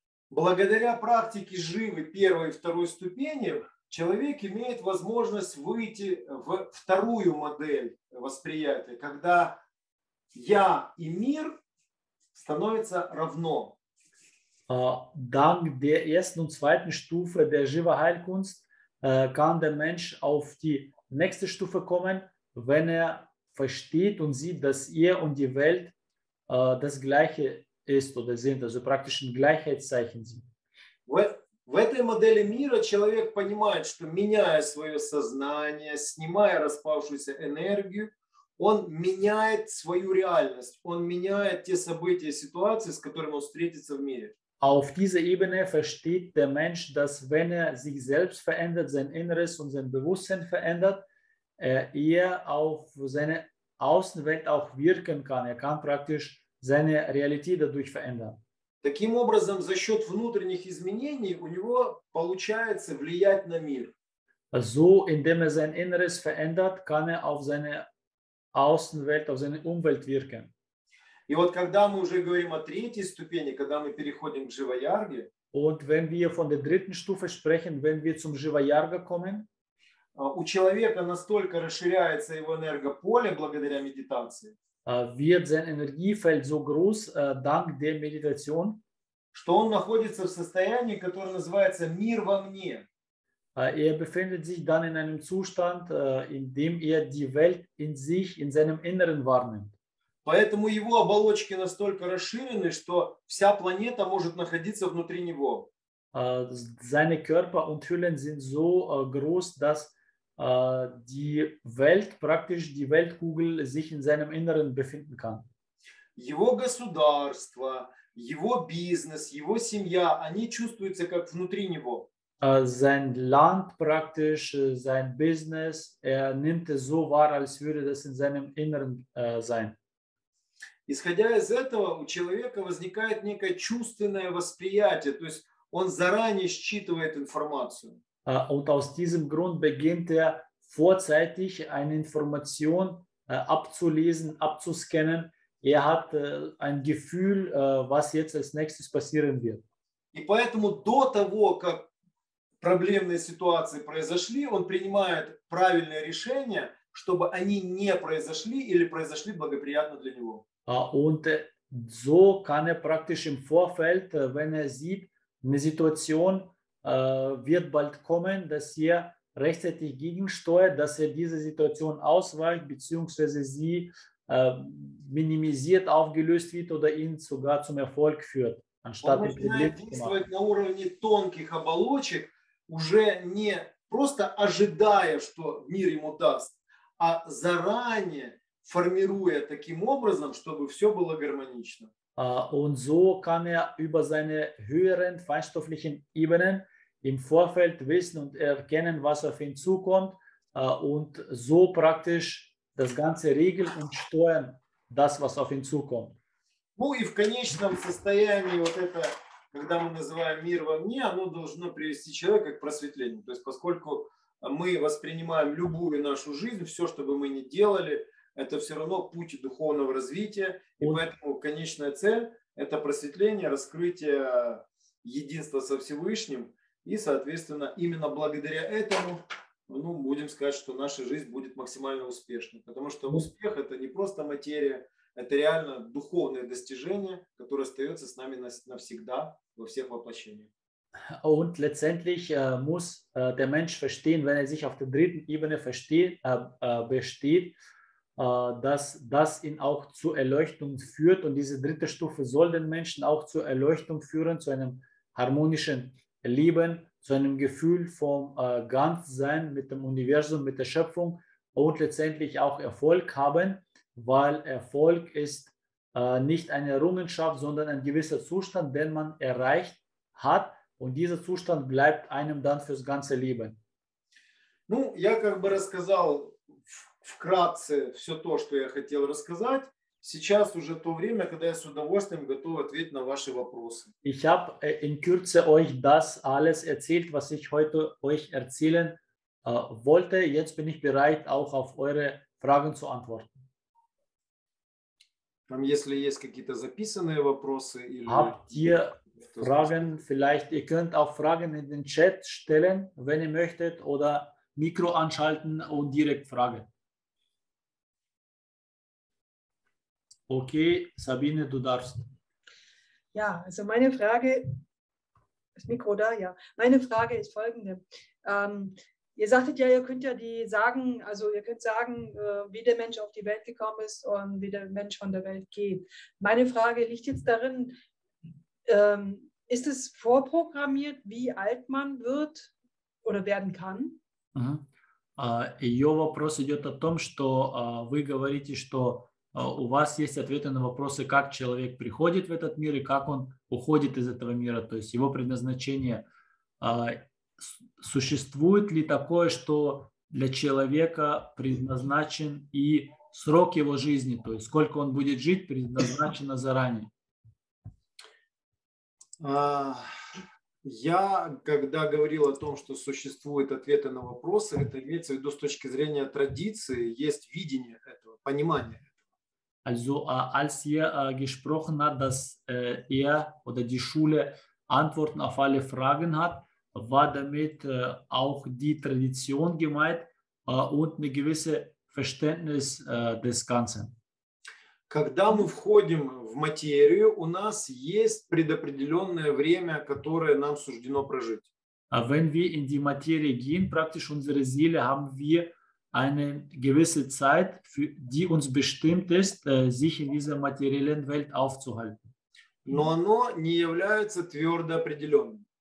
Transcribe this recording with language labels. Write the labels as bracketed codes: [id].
[ru] Благодаря практике живы первой и второй ступени человек имеет возможность выйти в вторую модель восприятия, когда я и мир становятся равно. [de] Dank der ersten und zweiten Stufe der Jiva Heilkunst kann der Mensch auf die nächste Stufe kommen, wenn er versteht und sieht, dass er und die Welt das Gleiche ist oder sind, also praktisch ein Gleichheitszeichen sind. [ru] В этой модели мира человек понимает, что меняя свое сознание, снимая распавшуюся энергию, он меняет свою реальность, он меняет те события, ситуации, с которыми он встретится в мире. [de] Auf dieser Ebene versteht der Mensch, dass wenn er sich selbst verändert, sein Inneres und sein Bewusstsein verändert, er auf seine Außenwelt auch wirken kann. Er kann praktisch seine Realität dadurch verändern. [ru] Таким образом, за счет внутренних изменений у него получается влиять на мир. [de] So, indem er sein Inneres verändert, kann er auf seine Außenwelt, auf seine Umwelt wirken. [ru] И вот когда мы уже говорим о третьей ступени, когда мы переходим к Живаярге, [de] und wenn wir von der dritten Stufe sprechen, wenn wir zum Живаярга kommen, [ru] у человека настолько расширяется его энергополе благодаря медитации, [de] wird sein Energiefeld so groß, dank der Meditation, [ru] что он находится в состоянии, которое называется «мир во мне». [de] Er befindet sich dann in einem Zustand, in dem er die Welt in sich, in seinem Inneren wahrnimmt. [ru] Поэтому его оболочки настолько расширены, что вся планета может находиться внутри него. [de] Seine Körper und Hüllen sind so groß, dass die Welt, praktisch die Weltkugel, sich in seinem Inneren befinden kann. [ru] Его государство, его бизнес, его семья, они чувствуются как внутри него. [de] Sein Land praktisch, sein Business, er nimmt es so wahr, als würde das in seinem Inneren sein. [ru] Исходя из этого, у человека возникает некое чувственное восприятие, то есть он заранее считывает информацию. [de] Und aus diesem Grund beginnt er vorzeitig eine Information abzulesen, abzuscannen. Er hat ein Gefühl, was jetzt als nächstes passieren wird. [ru] И поэтому до того, как проблемные ситуации произошли, он принимает правильное решение, чтобы они не произошли или произошли благоприятно для него. [de] Und so kann praktisch im Vorfeld, wenn sieht, eine Situation wird bald kommen, dass rechtzeitig gegensteuert, dass diese Situation ausweicht, beziehungsweise sie minimisiert, aufgelöst wird oder ihn sogar zum Erfolg führt, anstatt den Problem zu machen. [ru] Он начинает действовать на уровне тонких оболочек, уже не просто ожидая, что мир ему даст, а заранее формируя таким образом, чтобы все было гармонично. [de] Und so kann über seine höheren feinstofflichen Ebenen im Vorfeld wissen und erkennen, was auf ihn zukommt, und so praktisch das Ganze regeln und steuern, das, was auf ihn zukommt. [ru] Ну и в конечном состоянии вот это, когда мы называем мир во мне, оно должно привести человека к просветлению. То есть поскольку мы воспринимаем любую нашу жизнь, все, что бы мы ни делали, это все равно путь духовного развития. И поэтому конечная цель – это просветление, раскрытие единства со Всевышним. И, соответственно, именно благодаря этому, ну, будем сказать, что наша жизнь будет максимально успешной. Потому что успех – это не просто материя, это реально духовное достижение, которое остается с нами навсегда во всех воплощениях. [de] Und letztendlich muss der Mensch verstehen, wenn sich auf der dritten Ebene besteht, dass das ihn auch zur Erleuchtung führt. Und diese dritte Stufe soll den Menschen auch zur Erleuchtung führen, zu einem harmonischen Leben, zu einem Gefühl vom Ganzsein mit dem Universum, mit der Schöpfung und letztendlich auch Erfolg haben, weil Erfolg ist nicht eine Errungenschaft, sondern ein gewisser Zustand, den man erreicht hat, und dieser Zustand bleibt einem dann fürs ganze Leben. [ru] Ну, я как бы рассказал вкратце все то, что я хотел рассказать. Сейчас уже то время, когда я с удовольствием готов ответить на ваши вопросы. [de] Ich habe in Kürze euch das alles erzählt, was ich heute euch erzählen wollte. Jetzt bin ich bereit, auch auf eure Fragen zu antworten. [ru] Там, если есть какие-то записанные вопросы или... [de] Habt ihr Fragen? Vielleicht, ihr könnt auch Fragen in den Chat stellen, wenn ihr möchtet, oder Mikro anschalten und direkt fragen. Okay, Sabine, du darfst. Ja, also meine Frage, das Mikro da, ja. Meine Frage ist folgende. Ihr sagtet ja, ihr könnt ja die sagen, also ihr könnt sagen, wie der Mensch auf die Welt gekommen ist und wie der Mensch von der Welt geht. Meine Frage liegt jetzt darin, ist es vorprogrammiert, wie alt man wird oder werden kann? [ru] Ее вопрос идет о том, что вы говорите, что у вас есть ответы на вопросы, как человек приходит в этот мир и как он уходит из этого мира, то есть его предназначение. Существует ли такое, что для человека предназначен и срок его жизни, то есть сколько он будет жить, предназначено заранее? Я, когда говорил о том, что существуют ответы на вопросы, это имеется в виду с точки зрения традиции, есть видение этого, понимание. [de] Also als ihr gesprochen hat, dass er oder die Schule Antworten auf alle Fragen hat, war damit auch die Tradition gemeint und ein gewisses Verständnis des Ganzen. [ru] Когда мы входим в материю, у нас есть предопределенное время, которое нам суждено прожить. [de] Wenn wir in die Materie gehen, praktisch unsere Seele, haben wir eine gewisse Zeit, für die uns bestimmt ist, sich in dieser materiellen Welt aufzuhalten. [ru] Но оно не является твердо определенным.